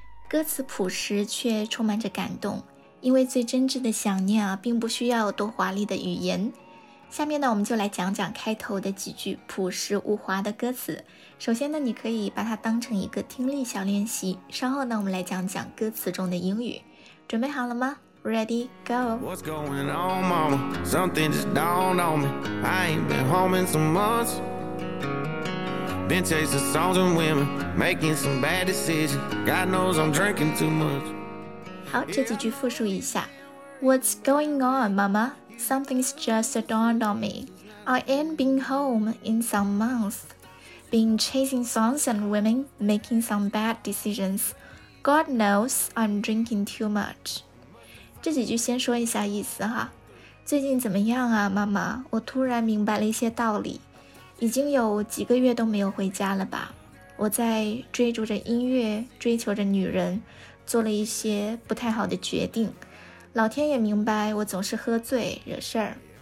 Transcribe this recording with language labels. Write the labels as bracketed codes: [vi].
[zh] 歌词朴实却充满着感动，因为最真挚的想念啊，并不需要多华丽的语言。下面呢，我们就来讲讲开头的几句朴实无华的歌词。首先呢，你可以把它当成一个听力小练习。稍后呢，我们来讲讲歌词中的英语。准备好了吗？ [en] Ready, go. What's going on, mama? Something just dawned on me. I ain't been home in some months. Been chasing songs and women, making some bad decisions. God knows I'm drinking too much. [zh] 好，这几句复述一下。 [en] What's going on, mama? Something's just dawned on me. I ain't been home in some months. Been chasing songs and women, making some bad decisions. God knows I'm drinking too much. [zh] 这几句先说一下意思哈，最近怎么样啊，妈妈？我突然明白了一些道理，已经有几个月都没有回家了吧？我在追逐着音乐，追求着女人，做了一些不太好的决定，老天也明白我总是喝醉惹事儿。